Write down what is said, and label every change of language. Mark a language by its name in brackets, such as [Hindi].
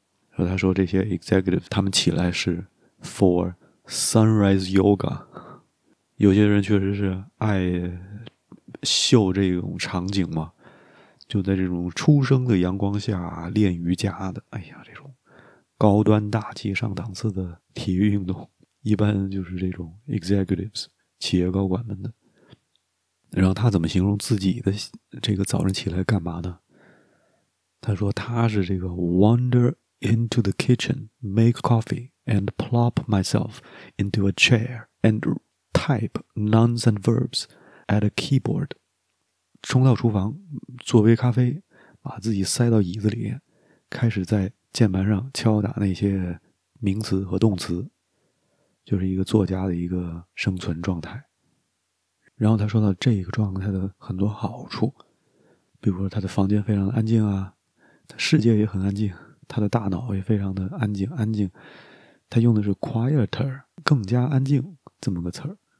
[Chinese] 然后他说这些 executives 他们起来是 [English] for sunrise yoga， [Chinese] 有些人确实是爱秀这种场景嘛，就在这种初升的阳光下练瑜伽的，哎呀，这种高端大气上档次的体育运动一般就是这种 executives 企业高管们的。然后他怎么形容自己的这个早上起来干嘛呢？他说他是这个 [English] wander into the kitchen, make coffee, and plop myself into a chair, and type nouns and verbs at a keyboard。 [Chinese] 冲到厨房做杯咖啡，把自己塞到椅子里，开始在键盘上敲打那些名词和动词，就是一个作家的一个生存状态。然后他说到这个状态的很多好处，比如说他的房间非常的安静啊，他世界也很安静，他的大脑也非常的安静，安静他用的是 quieter 更加安静这么个词儿。